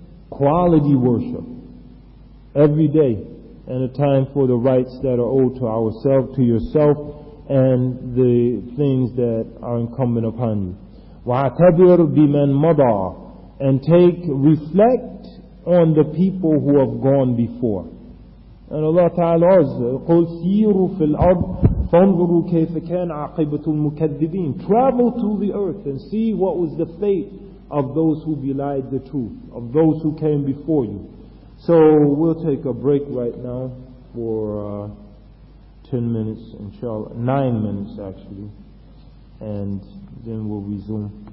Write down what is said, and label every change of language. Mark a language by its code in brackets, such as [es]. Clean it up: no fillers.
[en] Quality worship every day. And a time for the rights that are owed to ourselves, to yourself, and the things that are incumbent upon you. [ar] وَعَتَبِرْ بِمَنْ مَضَى, [en] and take, reflect on the people who have gone before. And Allah Ta'ala says, [ar] قُلْ سِيرُوا فِي الْأَرْضِ فَانْظُرُوا كَيْفَ كَانَ عَقِبَةُ الْمُكَذِّبِينَ. [en] Travel to the earth and see what was the fate of those who belied the truth, of those who came before you. So we'll take a break right now for 10 minutes, inshallah, 9 minutes actually, and then we'll resume.